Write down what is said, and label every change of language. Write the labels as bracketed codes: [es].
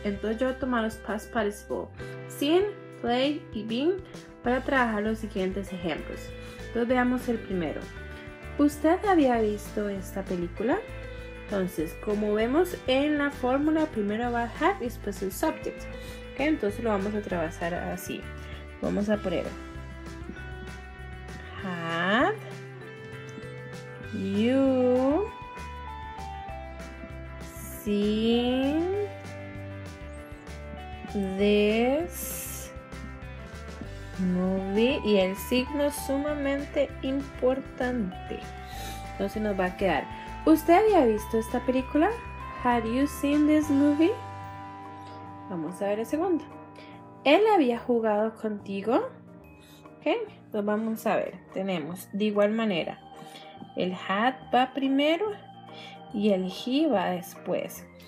[es] Entonces, yo voy a tomar los past participle, seen, play y been, para trabajar los siguientes ejemplos. Entonces, veamos el primero. ¿Usted había visto esta película? Entonces, como vemos en la fórmula, primero va have y después el subject. ¿Okay? Entonces lo vamos a trabajar así. Vamos a poner [en] have you seen this movie. [es] Y el signo es sumamente importante. Entonces nos va a quedar, ¿usted había visto esta película? [en] Had you seen this movie? [es] Vamos a ver el segundo. ¿Él había jugado contigo? Ok, entonces vamos a ver. Tenemos de igual manera, el had va primero y el he va después.